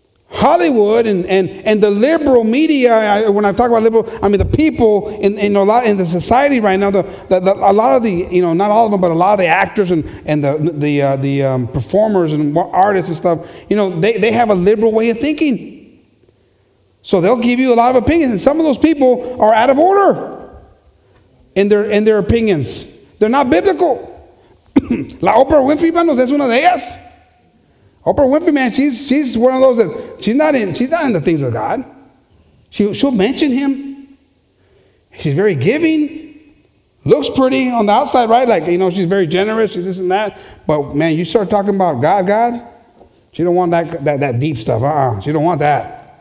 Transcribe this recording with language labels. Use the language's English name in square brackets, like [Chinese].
[English] Hollywood and the liberal media, when I talk about liberal, I mean the people in a lot in the society right now, a lot of the, you know, not all of them, but a lot of the actors and the performers and artists and stuff, you know, they have a liberal way of thinking. So they'll give you a lot of opinions, and some of those people are out of order in their opinions. They're not biblical. [Spanish] La Oprah Winfrey, manos, es una de ellas. [English] Oprah Winfrey, man, she's one of those that she's not in the things of God. She'll mention him. She's very giving. Looks pretty on the outside, right? Like, you know, she's very generous, this and that. But man, you start talking about God, she don't want that deep stuff. She don't want that.